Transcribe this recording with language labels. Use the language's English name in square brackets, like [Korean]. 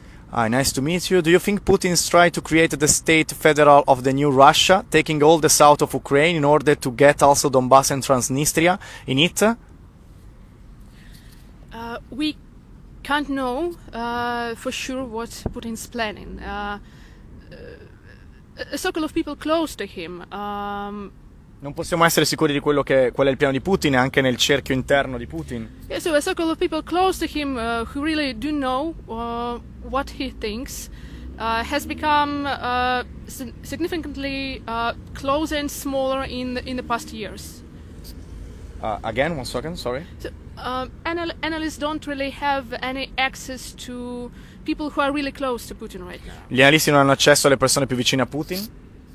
[English] Hi, nice to meet you. Do you think Putin's try to create the state federal of the new Russia, taking all the south of Ukraine in order to get also Donbass and Transnistria in it? We can't know for sure what Putin's planning. A circle of people close to him. [Italian] Non possiamo essere sicuri di qual è il piano di Putin anche nel cerchio interno di Putin. [English] Yeah, so a circle of people close to him who really do know what he thinks has become significantly closer and smaller in the past years. Again, one second, sorry. So, analysts don't really have any access to people who are really close to Putin right now. [Italian] Gli analisti non hanno accesso alle persone più vicine a Putin?